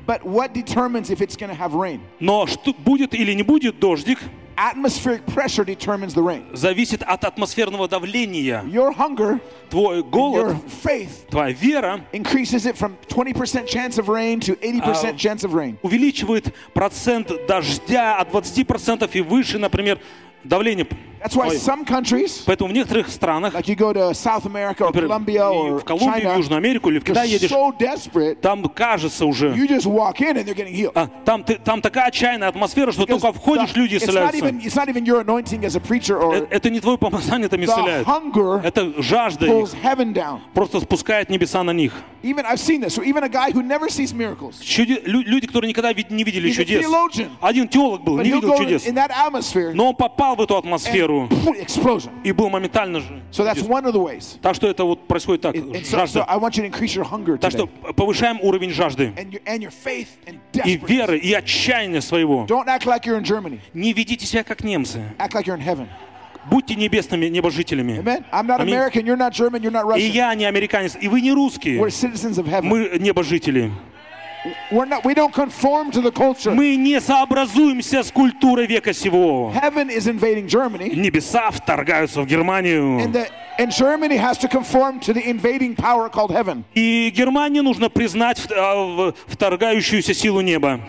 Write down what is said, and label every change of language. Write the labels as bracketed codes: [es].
[en] But what determines if it's going to have rain? [ru] Но что будет или не будет дождик? [en] Atmospheric pressure determines the rain. [ru] Зависит от атмосферного давления. [en] Your hunger. [ru] Твой голод. [en] Your faith. [ru] Твоя вера. [en] Increases it from 20% chance of rain to 80% chance of rain. [ru] Увеличивает процент дождя от 20% и выше, например. Давление. [en] That's why some countries, [ru] поэтому в некоторых странах, [en] like you go to South America or Colombia or [ru] в Колумбию, [en] China, [ru] Южную Америку или в Китай едешь, [en] so desperate, [ru] там кажется уже, [en] you just walk in and they're getting healed. [ru] Там такая отчаянная атмосфера, что [en] because [ru] только входишь, люди исцеляются. [en] It's not even your anointing as a preacher or [ru] это не твое помазание там исцеляет. Это жажда их просто спускает небеса на них. [en] Even I've seen this. So even a guy who never sees miracles. [ru] Люди, которые никогда не видели чудес. Один теолог был, [en] but [ru] не видел чудес. [en] In that atmosphere, [ru] но он попал в эту атмосферу. [en] Explosion. [ru] И был моментально же. [en] So that's one of the ways. [ru] Так что это вот происходит так. [en] So I want you to increase your hunger today. [ru] Так что повышаем уровень жажды. [en] And your faith and desperation. [ru] И веры, и отчаяния своего. [en] Don't act like you're in Germany. [ru] Не ведите себя как немцы. [en] Act like you're in heaven. [ru] Будьте небесными небожителями. [en] American, [ru] и я не американец, и вы не русские. Мы небожители. Мы не сообразуемся с культурой века сего. Небеса вторгаются в Германию. [en] And Germany has to conform to the invading power called heaven. [ru] И Германии нужно признать вторгающуюся силу неба.